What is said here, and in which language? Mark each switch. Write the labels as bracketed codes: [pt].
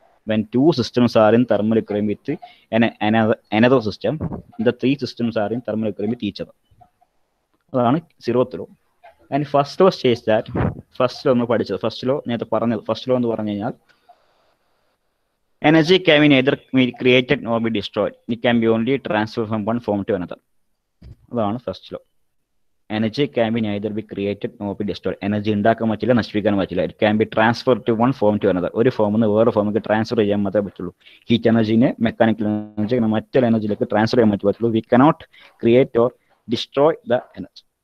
[en] When two systems are in thermal equilibrium with another system, the three systems are in thermal equilibrium with each other. [ml] അതാണ് [en] Zeroth law. And first law states that first law [ml] നമ്മൾ പഠിച്ചത്, [en] first law [ml] നേരത്തെ പറഞ്ഞത്, [en] first law [ml] എന്ന് പറഞ്ഞു കഴിഞ്ഞാൽ [en] Energy can be neither created nor be destroyed. It can be only transferred from one form to another. [ml] അതാണ് first law. [en] Energy can be neither be created nor be destroyed. [ml] Energy ഉണ്ടാക്കാൻ പറ്റില്ല, നശിപ്പിക്കാൻ പറ്റില്ല. [en] It can be transfer to one form to another. [ml] ഒരു ഫോമിൽ നിന്ന് വേറെ ഫോമിലേക്ക് ട്രാൻസ്ഫർ ചെയ്യാൻ മാത്രമേ പറ്റുള്ളൂ. ഹീറ്റ് എനർജിനെ മെക്കാനിക്കൽ എനർജി മറ്റൊരു എനർജിയിലേക്ക് ട്രാൻസ്ഫർ ചെയ്യാൻ പറ്റുള്ളൂ. [en] We cannot create or destroy the energy.